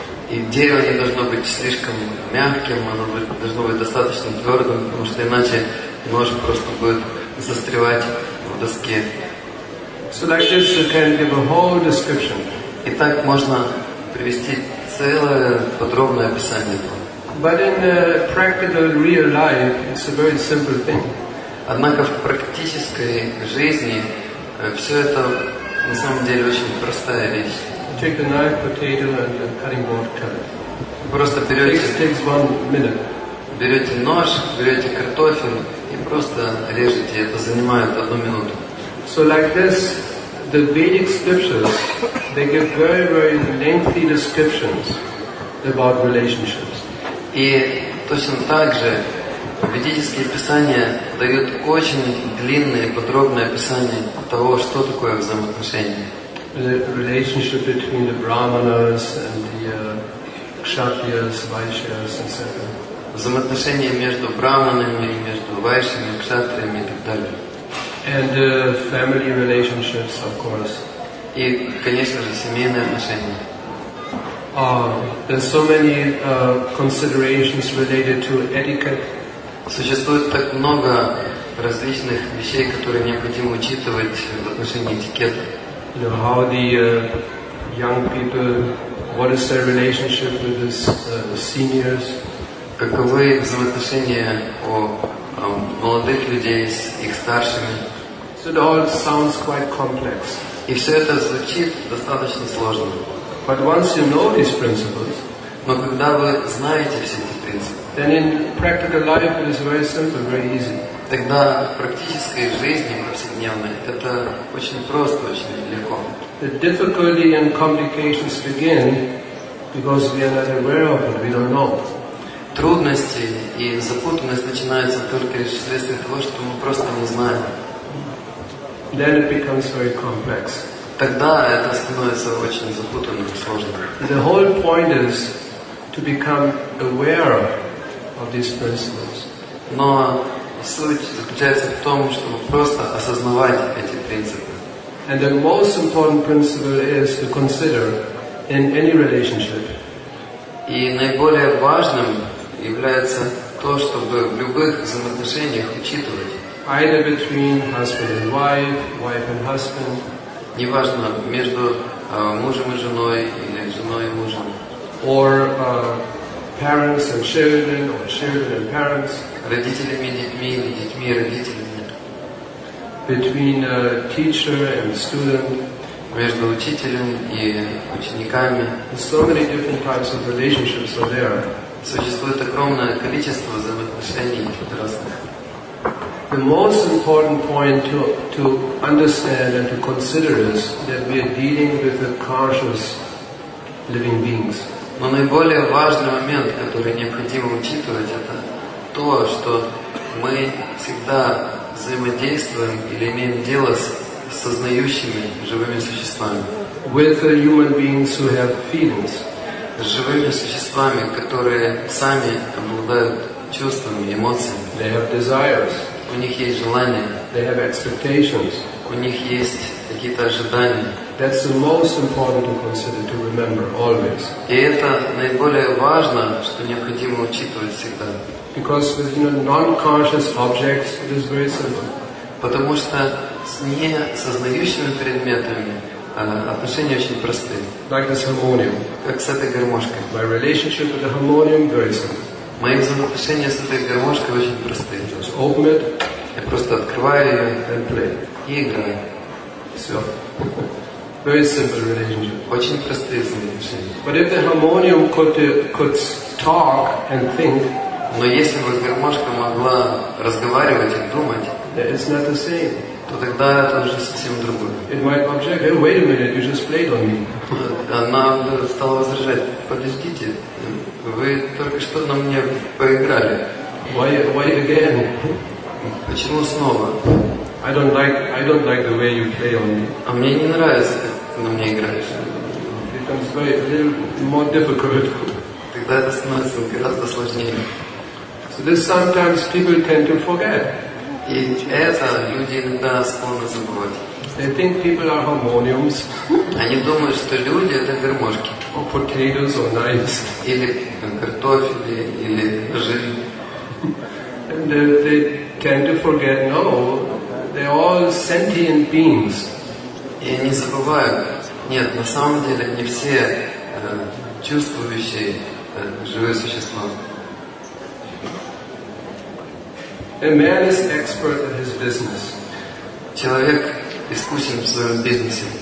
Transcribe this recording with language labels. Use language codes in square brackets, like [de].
[ru] И дерево не должно быть слишком мягким, оно должно быть достаточно твердым, потому что иначе нож просто будет застревать в доске. [en] So like this you can give a whole description. [ru] И так можно привести целое подробное описание. [en] But in the practical real life, it's a very simple thing. [ru] Однако в практической жизни все это на самом деле очень простая вещь. [en] Take the knife, potato, and the cutting board. Cut it. [ru] Просто берете. [en] Takes 1 minute. [ru] Берете нож, берете картофель и просто режете. Это занимает 1 минуту. [en] So like this, the Vedic scriptures they give very very lengthy descriptions about relationships. [ru] И точно так же ведические писания дают очень длинные подробные описания того, что такое взаимоотношения. [en] The relationship between the brahmanas and the kshatriyas, vaishyas, etc. [ru] Взаимоотношения между брахманами и между вайшьями, кшатриями и так далее. [en] And family relationships, of course. [ru] И, конечно же, семейные отношения. [en] There's so many considerations related to etiquette. [ru] Существует так много различных вещей, которые необходимо учитывать в отношении этикета. [en] You know, how the young people, what is their relationship with the seniors? [ru] Каковы взаимоотношения у молодых людей с их старшими? [en] So it all sounds quite complex. [ru] И все это звучит достаточно сложно. [en] But once you know these principles, [ru] но когда вы знаете все эти принципы, [en] then in practical life it is very simple, very easy. [ru] Тогда в практической жизни повседневной это очень просто, очень легко. [en] The difficulty and complications begin because we are not aware of it, we don't know. [ru] Трудности и запутанность начинаются только лишь вследствие того, что мы просто не знаем. [en] Then it becomes very complex. [ru] Тогда это становится очень запутанным и сложным. [en] The whole point is to become aware of these principles. [ru] Но суть заключается в том, чтобы просто осознавать эти принципы. [en] And the most important principle is to consider in any relationship. [ru] И наиболее важным является то, чтобы в любых взаимоотношениях учитывать. [en] Either between husband and wife, wife and husband. [ru] Неважно, между мужем и женой или женой и мужем. [en] Or parents and children, or children and parents. [ru] Родителями и детьми, или детьми и родителями. [en] Between a teacher and student. [ru] Между учителем и учениками. [en] So many different types of relationships are there. [ru] существует огромное количество взаимоотношений разных. [en] The most important point to understand and to consider is that we are dealing with the conscious living beings. [ru] Но наиболее важный момент, который необходимо учитывать, это то, что мы всегда взаимодействуем или имеем дело с сознающими живыми существами. [en] With the human beings who have feelings. [ru] С живыми существами, которые сами обладают чувствами, эмоциями. [en] They have desires. [ru] У них есть желания. [en] They have expectations. [ru] У них есть какие-то ожидания. [en] That's the most important to consider, to remember always. [ru] И это наиболее важно, что необходимо учитывать всегда. [en] Because with, you know, non-conscious objects, it is very simple. [ru] Потому что с неосознающими предметами отношения очень просты. [en] Like this harmonium. [ru] Как с этой гармошкой. [en] My relationship with the harmonium, very simple. [ru] Мои взаимоотношения с этой гармошкой очень просты. [en] Just open it. [ru] Я просто открываю ее. [en] And play. [ru] И играю. Все. [en] Very simple relationship. [ru] Очень простые взаимоотношения. [en] But if the harmonium could talk and think, [ru] но если бы гармошка могла разговаривать и думать, [en] it's not the same. [ru] То тогда это уже совсем другое. [en] It might object, hey, wait a minute, you just played on me. [ru] Она стала возражать, подождите, вы только что на мне поиграли. [en] Why again? [ru] Почему снова? [en] I don't like the way you play on me. [ru] А мне не нравится, как ты на мне играешь. [en] It becomes very, a little more difficult. [ru] Тогда это становится гораздо сложнее. [en] So this sometimes people tend to forget. [ru] И это люди иногда склонны забывать. [en] They think people are harmoniums. [ru] Они думают, что люди — это гармошки. [en] Or potatoes or knives. [ru] Или картофели, или ножи. [en] And they tend to forget, no, they are all sentient beings. [ru] И они забывают, нет, на самом деле не все чувствующие живые существа. [en] A man is expert in his business. [ru] Человек искусен в своем бизнесе.